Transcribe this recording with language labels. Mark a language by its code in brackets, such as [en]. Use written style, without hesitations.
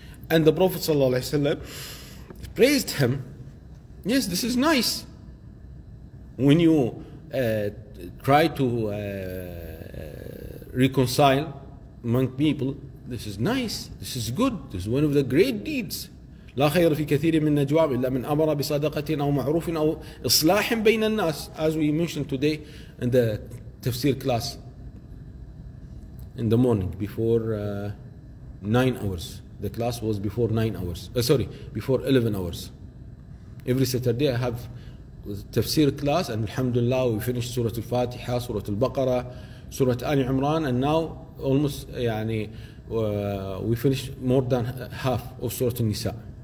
[en] And the Prophet sallallahu alayhi wasallam praised him. Yes, this is nice. When you try to reconcile among people, this is nice, this is good, this is one of the great deeds. [ar] لا خير في كثير من نجواهم إلا من أمر بصدقة أو معروف أو إصلاح بين الناس. [en] As we mentioned today in the tafsir class in the morning before 9 hours. The class was before 9 hours. Before 11 hours. Every Saturday I have tafsir class, and alhamdulillah we finished Surah Al-Fatiha, Surah Al-Baqarah, Surah Ali Imran, and now almost يعني, we finished more than half of Surah Al-Nisa.